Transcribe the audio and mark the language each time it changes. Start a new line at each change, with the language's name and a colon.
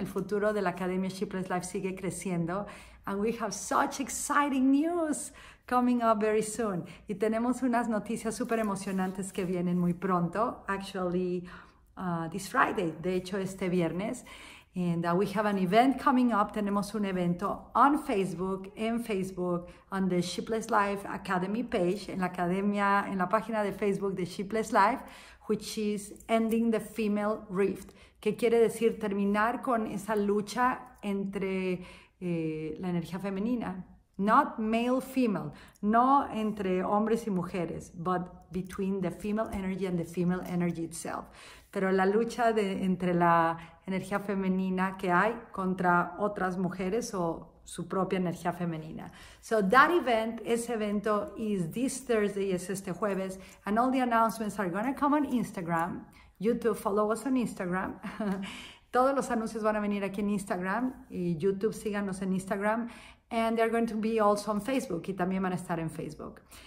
Spanish: El futuro de la Academia Sheepless Life sigue creciendo.
English: And we have such exciting news coming up very soon.
Spanish: Y tenemos unas noticias súper emocionantes que vienen muy pronto.
English: Actually, this Friday.
Spanish: De hecho, este viernes.
English: And we have an event coming up.
Spanish: Tenemos un evento
English: on Facebook,
Spanish: en Facebook,
English: on the Sheepless Life Academy page,
Spanish: en la academia, en la página de Facebook de Sheepless Life,
English: which is ending the female rift,
Spanish: que quiere decir terminar con esa lucha entre la energía femenina.
English: Not male-female,
Spanish: no entre hombres y mujeres,
English: but between the female energy and the female energy itself.
Spanish: Pero la lucha de, entre la energía femenina que hay contra otras mujeres o su propia energía femenina.
English: So that event,
Spanish: ese evento
English: is this Thursday,
Spanish: es este jueves,
English: and all the announcements are going to come on Instagram. YouTube, follow us on Instagram.
Spanish: Todos los anuncios van a venir aquí en Instagram, y YouTube, síganos en Instagram,
English: and they're going to be also on Facebook,
Spanish: y también van a estar en Facebook.